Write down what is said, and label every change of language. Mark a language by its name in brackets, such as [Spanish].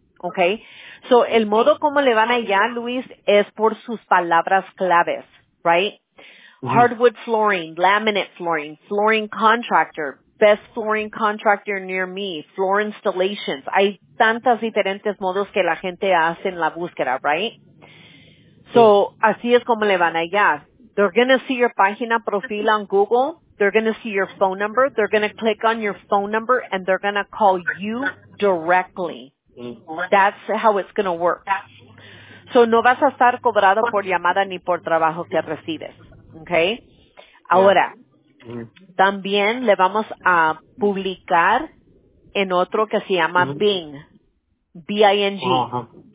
[Spanish] Okay, so el modo como le van allá, Luis, es por sus palabras claves, right? [English] Hardwood flooring, laminate flooring, flooring contractor, best flooring contractor near me, floor installations. [Spanish] Hay tantas diferentes modos que la gente hace en la búsqueda, right? So así es como le van allá. [English] They're going to see your [Spanish] página profil [English] on Google. They're going to see your phone number. They're going to click on your phone number, and they're going to call you directly. That's how it's going to work. [Spanish] So no vas a estar cobrado por llamada ni por trabajo que recibes. Okay? Ahora, también le vamos a publicar en otro que se llama Bing, B-I-N-G.